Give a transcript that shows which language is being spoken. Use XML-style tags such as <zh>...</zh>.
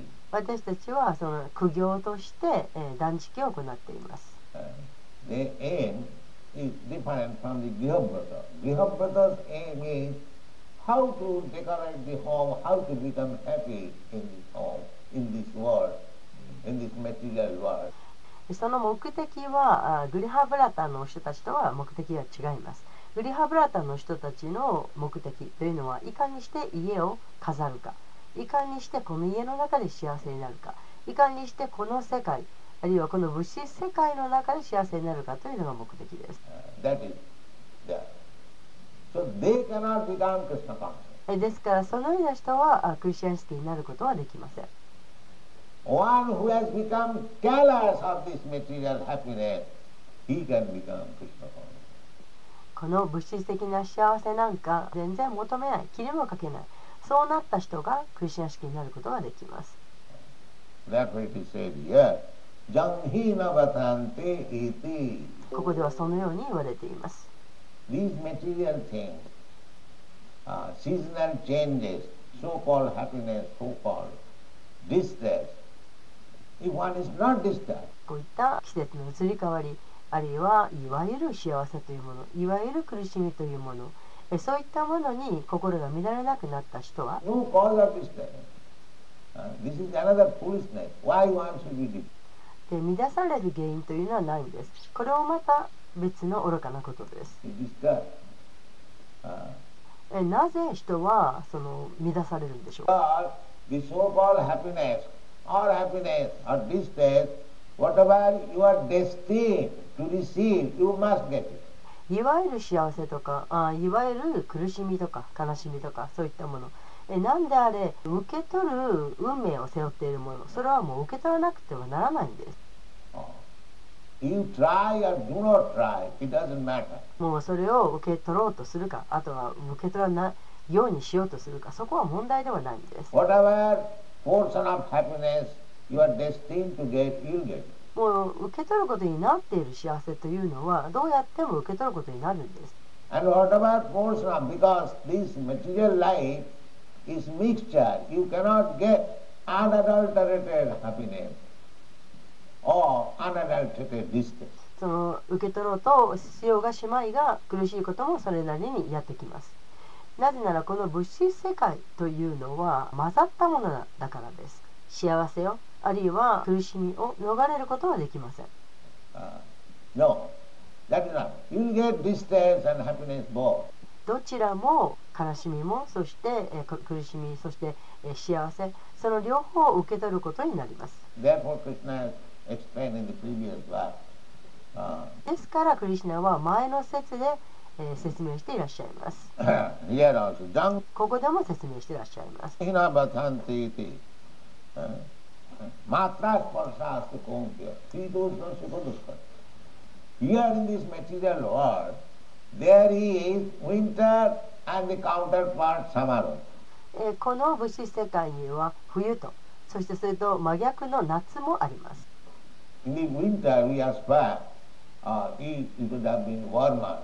<ja>私たちはその苦行として断食を行っています。</ja> <en>The aim is different from the Griha Vrata. Griha Vrata's aim is how to decorate the home, how to become happy in this home, in this world, in this material world.</en> <ja>その目的はグリハブラタの人たちとは目的が違います。グリハブラタの人たちの目的というのはいかにして家を飾るか、いかにしてこの家の中で幸せになるか、いかにしてこの世界あるいはこの物質世界の中で幸せになるかというのが目的です。</ja> <en>That is that. So they cannot become Krishna consciousness.</en> <ja>ですからそのような人はクリシャンシティになることはできません。</ja> <en>One who has become careless of this material happiness, he can become Krishna consciousness.</en> <ja>この物質的な幸せなんか全然求めない、気にもかけない。そうなった人がクリシナ式になることができます。</ja> <en>Therefore it is said here,</en> <sa>Janhina Vatante Iti.</sa> <ja>ここではそのように言われています。</ja> <en>These material things, seasonal changes, so-called happiness, so-called distress,If one is not disturbed,</en> <ja>こういった季節の移り変わりあるいはいわゆる幸せというもの、いわゆる苦しみというもの、そういったものに心が乱れなくなった人は、</ja> <en>No cause of disturbance. This is another foolishness. Why one should be disturbed?</en> <ja>乱される原因というのはないんです。これをまた別の愚かなことです。</ja> <en>Disturbed.</en> <ja>なぜ人はその乱されるんでしょうか。</ja> <en>But the so-called happiness, or happiness, or distress, whatever you are destined to receive, you must get it.</en> <ja>いわゆる幸せとか、いわゆる苦しみとか悲しみとか、そういったもの。なんであれ、受け取る運命を背負っているもの、それはもう受け取らなくてはならないんです。</ja> <en>You try or do not try, it doesn't matter.</en> <ja>もうそれを受け取ろうとするか、あとは受け取らないようにしようとするか、そこは問題ではないんです。</ja> <en>Whatever portion of happiness you are destined to get, you'll get.</en> <ja>もう受け取ることになっている幸せというのは、どうやっても受け取ることになるんです。</ja> <en>And whatever portion of, because this material life is mixture, you cannot get unadulterated happiness.</en> <ja>その受け取ろうとしようがしまいが苦しいこともそれなりにやってきます。なぜならこの物質世界というのは混ざったものだからです。幸せをあるいは苦しみを逃れることはできません。</ja> <en>No, that is not. You'll get distress and happiness both.</en> <ja>どちらも悲しみもそして苦しみそして幸せその両方を受け取ることになります。</ja> <en>Therefore, Krishna isExplained in the previous verse.</en> <ja>ですからクリシュナは前の説で、説明していらっしゃいます。</ja> <en>Here also,</en> <ja>ここでも説明していらっしゃいます。</ja> <sa>ヒナバタンティティ、マトラスパルサスティコンティア、シートスナシコドスカ。</sa> <en>Here in this material world, there is winter and the counterpart summer.</en> <ja>この物質世界には冬と、そしてそれと真逆の夏もあります。</ja> <en>In the winter, we aspire, it would have been warmer.</en>